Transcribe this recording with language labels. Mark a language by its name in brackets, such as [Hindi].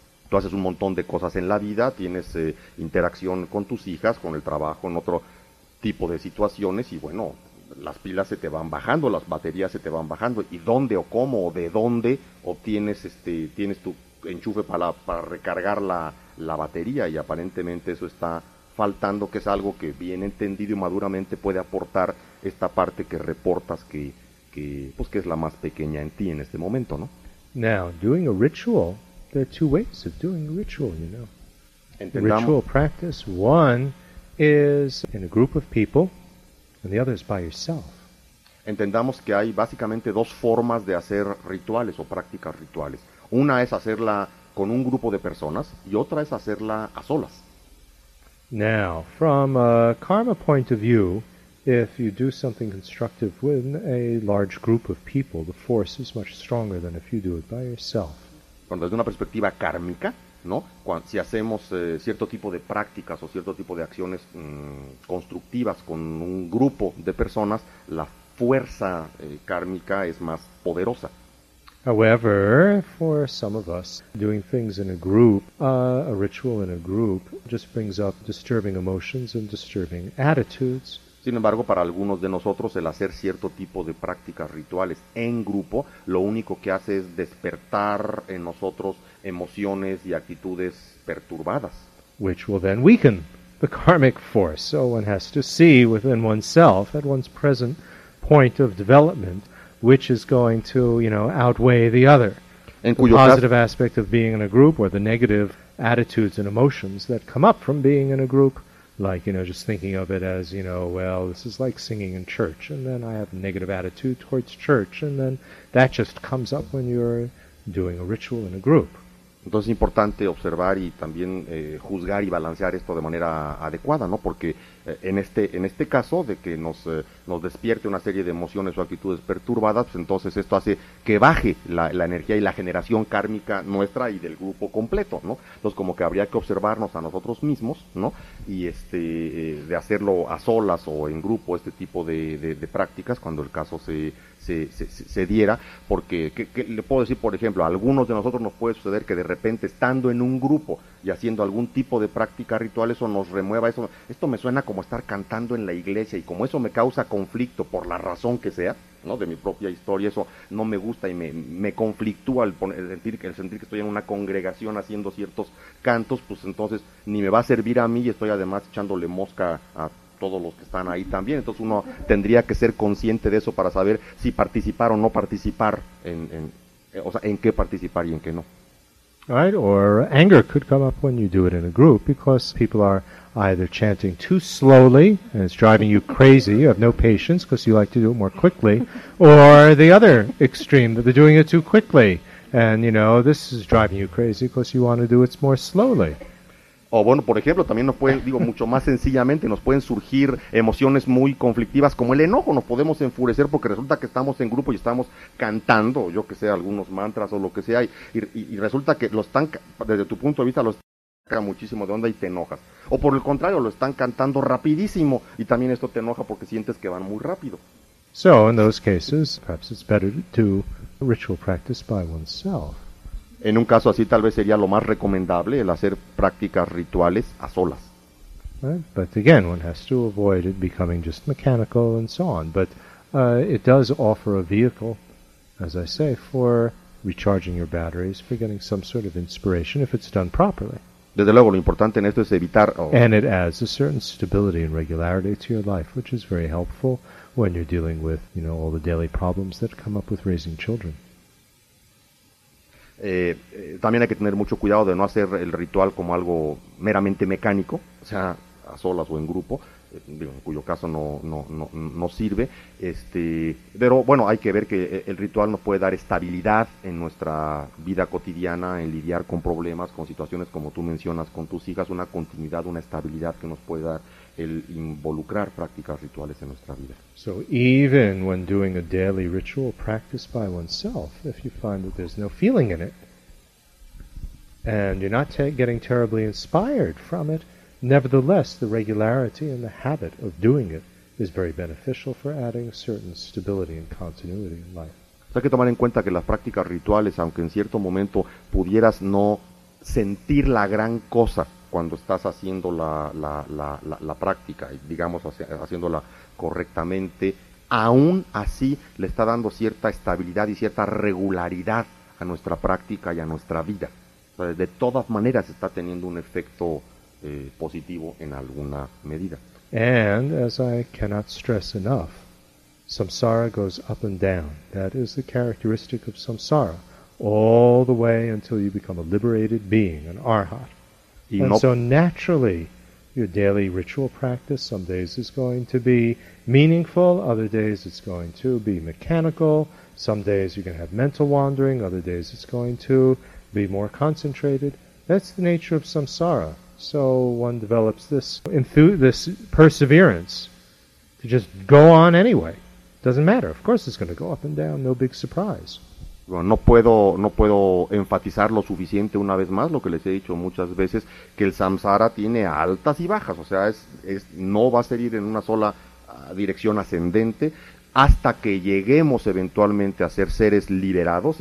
[Spanish] tú haces un montón de cosas en la vida, tienes interacción con tus hijas, con el trabajo, en otro tipo de situaciones, y bueno, las pilas se te van bajando, las baterías se te van bajando, y dónde o cómo o de dónde obtienes, tienes tu enchufe para recargar la batería, y aparentemente eso está faltando, que es algo que bien entendido y maduramente puede aportar esta parte que reportas que es la más pequeña en ti en este momento, ¿no? [English] Now, doing a ritual, there are two ways of doing a ritual, you know. ritual practice. One is in a group of people, and the other is by yourself. [Spanish] Entendamos que hay básicamente dos formas de hacer rituales o prácticas rituales. Una es hacerla con un grupo de personas y otra es hacerla a solas. [English] Now, from a karma point of view, if you do something constructive with a large group of people, the force is much stronger than if you do it by yourself. [Spanish] Cuando desde una perspectiva kármica, ¿no? Cuando, si hacemos cierto tipo de prácticas o cierto tipo de acciones constructivas con un grupo de personas, la fuerza kármica es más poderosa. [English] However, for some of us, doing things in a group, a ritual in a group, just brings up disturbing emotions and disturbing attitudes. [Spanish] Sin embargo, para algunos de nosotros, el hacer cierto tipo de prácticas rituales en grupo, lo único que hace es despertar en nosotros emociones y actitudes perturbadas. [English] Which will then weaken the karmic force. So one has to see within oneself, at one's present point of development, which is going to, you know, outweigh the other. [Spanish] En [English] the positive aspect of being in a group or the negative attitudes and emotions that come up from being in a group. Like, you know, just thinking of it as, you know, well, this is like singing in church, and then I have a negative attitude towards church, and then that just comes up when you're doing a ritual in a group. [Spanish] Entonces es importante observar y también juzgar y balancear esto de manera adecuada, ¿no? Porque en este caso de que nos despierte una serie de emociones o actitudes perturbadas, pues entonces esto hace que baje la energía y la generación kármica nuestra y del grupo completo, ¿no? Entonces como que habría que observarnos a nosotros mismos, ¿no? Y de hacerlo a solas o en grupo, este tipo de prácticas, cuando el caso se diera, porque que le puedo decir, por ejemplo, a algunos de nosotros nos puede suceder que de repente estando en un grupo y haciendo algún tipo de práctica ritual, eso nos remueva, esto me suena como estar cantando en la iglesia, y como eso me causa conflicto por la razón que sea, ¿no? De mi propia historia, eso no me gusta y me conflictúa el sentir que estoy en una congregación haciendo ciertos cantos, pues entonces ni me va a servir a mí y estoy además echándole mosca a todos los que están ahí también. Entonces uno tendría que ser consciente de eso para saber si participar o no participar, en qué participar y en qué no. [English] Right, or anger could come up when you do it in a group because people are either chanting too slowly and it's driving you crazy, you have no patience because you like to do it more quickly, or the other extreme, that they're doing it too quickly and, you know, this is driving you crazy because you want to do it more slowly. [Spanish] O bueno, por ejemplo, también nos pueden, digo, mucho más sencillamente, nos pueden surgir emociones muy conflictivas como el enojo, nos podemos enfurecer porque resulta que estamos en grupo y estamos cantando, yo que sé, algunos mantras o lo que sea, y resulta que los están, desde tu punto de vista, los sacan muchísimo de onda y te enojas. O por el contrario, lo están cantando rapidísimo y también esto te enoja porque sientes que van muy rápido. [English] So, in those cases, perhaps it's better to do ritual practice by oneself. [Spanish] En un caso así, tal vez sería lo más recomendable el hacer prácticas rituales a solas. [English] Right, but again, one has to avoid it becoming just mechanical and so on. But it does offer a vehicle, as I say, for recharging your batteries, for getting some sort of inspiration if it's done properly. [Spanish] Desde luego, lo importante en esto es evitar. Oh. [English] And it adds a certain stability and regularity to your life, which is very helpful when you're dealing with, you know, all the daily problems that come up with raising children. [Spanish] También hay que tener mucho cuidado de no hacer el ritual como algo meramente mecánico, o sea, a solas o en grupo, en cuyo caso no sirve, pero bueno, hay que ver que el ritual nos puede dar estabilidad en nuestra vida cotidiana, en lidiar con problemas, con situaciones como tú mencionas, con tus hijas, una continuidad, una estabilidad que nos puede dar el involucrar prácticas rituales en nuestra vida. [English] So even when doing a daily ritual practice by oneself, if you find that there's no feeling in it, and you're not getting terribly inspired from it, nevertheless, the regularity and the habit of doing it is very beneficial for adding a certain stability and continuity in life. [Spanish] Hay que tomar en cuenta que las prácticas rituales, aunque en cierto momento pudieras no sentir la gran cosa, cuando estás haciendo la práctica, digamos, haciéndola correctamente, aún así le está dando cierta estabilidad y cierta regularidad a nuestra práctica y a nuestra vida. O sea, de todas maneras está teniendo un efecto positivo en alguna medida. [English] And as I cannot stress enough, samsara goes up and down. That is the characteristic of samsara, all the way until you become a liberated being, an arhat. And so naturally, your daily ritual practice some days is going to be meaningful, other days it's going to be mechanical, some days you're going to have mental wandering, other days it's going to be more concentrated. That's the nature of samsara. So one develops this perseverance to just go on anyway. Doesn't matter. Of course it's going to go up and down, no big surprise. [Spanish] Bueno, no puedo enfatizar lo suficiente una vez más lo que les he dicho muchas veces, que el samsara tiene altas y bajas, o sea, es no va a seguir en una sola dirección ascendente hasta que lleguemos eventualmente a ser seres liberados.